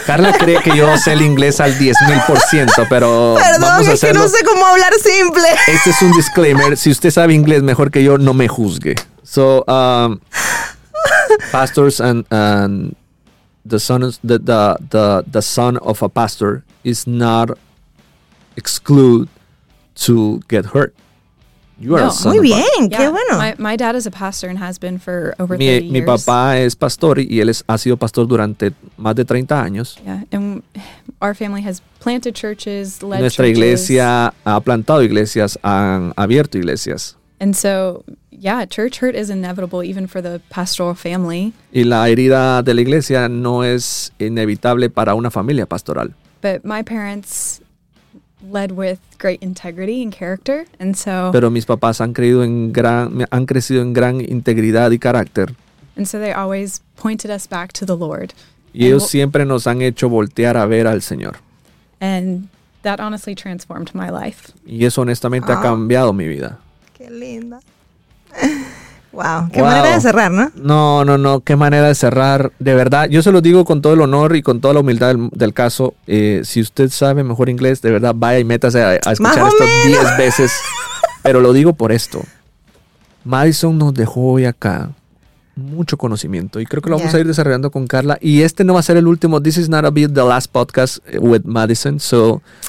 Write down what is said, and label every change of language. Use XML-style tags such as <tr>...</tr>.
<es>Carla cree que yo sé el inglés al 10,000%, pero perdón, vamos a hacerlo. Que no sé cómo hablar simple. Este es un disclaimer. Si usted sabe inglés mejor que yo, no me juzgue.</es> <en>So, pastors and the son of a pastor is not excluded to get hurt. You are</en> <es>Muy bien, qué bueno.</es> <en>My dad is a pastor and has been for over 30 years.</en> <es>Mi papá es pastor y él ha sido pastor durante más de 30 años.</es> <en>Yeah, and our family has planted churches, led</en> <es>Nuestra</es> <en>churches.</en> <es>Nuestra iglesia ha plantado iglesias, han abierto iglesias.</es> <en>And so, yeah, church hurt is inevitable even for the pastoral family.</en> <es>Y la herida de la iglesia no es inevitable para una familia pastoral.</es> <en>But my parents led with great integrity and character, and so.</en> <es>Pero mis papás han crecido en gran integridad y carácter.</es> <en>And so they always pointed us back to the Lord.</en> <es>Y ellos siempre nos han hecho voltear a ver al Señor.</es> <en>And that honestly transformed my life.</en> <es>Y eso honestamente ha cambiado mi vida. Qué linda. Wow, qué manera de cerrar, ¿no? No, qué manera de cerrar. De verdad, yo se lo digo con todo el honor y con toda la humildad del caso. Si usted sabe mejor inglés, de verdad, vaya y métase a escuchar esto 10 veces. Pero lo digo por esto. Madison nos dejó hoy acá mucho conocimiento y creo que lo vamos a ir desarrollando con Carla. Y este no va a ser el último.</es> <en>This is not a bit the last podcast with Madison, so...</en>